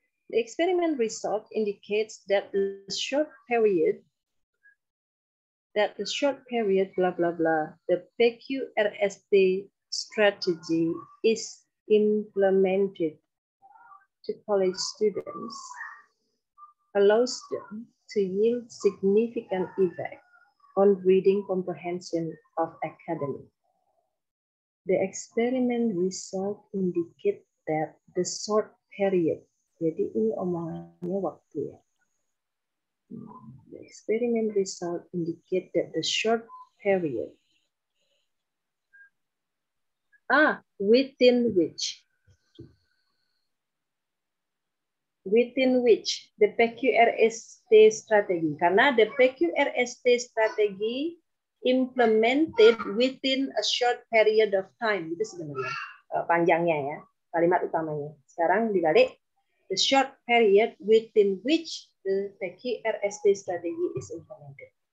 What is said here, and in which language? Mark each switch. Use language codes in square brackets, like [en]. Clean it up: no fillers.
[en] The experiment result indicates that the short period, blah, blah, blah, the PQRST strategy is implemented to college students, allows them to yield significant effect on reading comprehension of academy. The experiment result indicates that the short period [id] Jadi ini omongannya waktu ya. [en] The experiment result indicate that the short period. Within which. Within which the PQRST strategy. [id] Karena [en] the PQRST strategy implemented within a short period of time. [id] Itu sebenarnya panjangnya ya, kalimat utamanya. Sekarang dibalik. [en] The short period within which the PQRST strategy is implemented.